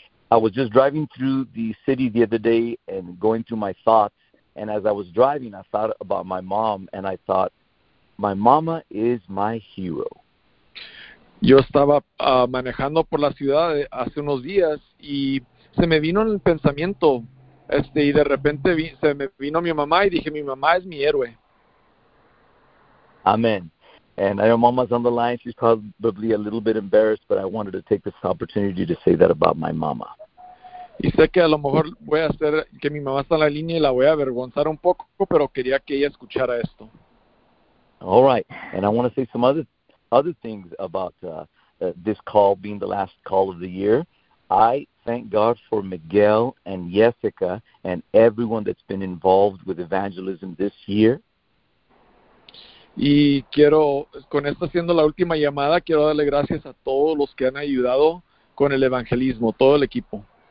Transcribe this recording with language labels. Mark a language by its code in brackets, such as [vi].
[en] I was just driving through the city the other day and going through my thoughts. And as I was driving, I thought about my mom and I thought, my mama is my hero. [es] Yo estaba manejando por la ciudad hace unos días y se me vino el pensamiento, Y de repente se me vino mi mamá y dije, mi mamá es mi héroe. [en] Amen. And I know mama's on the line. She's probably a little bit embarrassed, but I wanted to take this opportunity to say that about my mama. [es] Y sé que a lo mejor voy a hacer que mi mamá está en la línea y la voy a avergonzar un poco, pero quería que ella escuchara esto. [en] All right. And I want to say some other things about this call being the last call of the year. I thank God for Miguel and Jessica and everyone that's been involved with evangelism this year. [es] Y quiero, con esta siendo la última llamada, quiero darle gracias a todos los que han ayudado con el evangelismo, todo el equipo.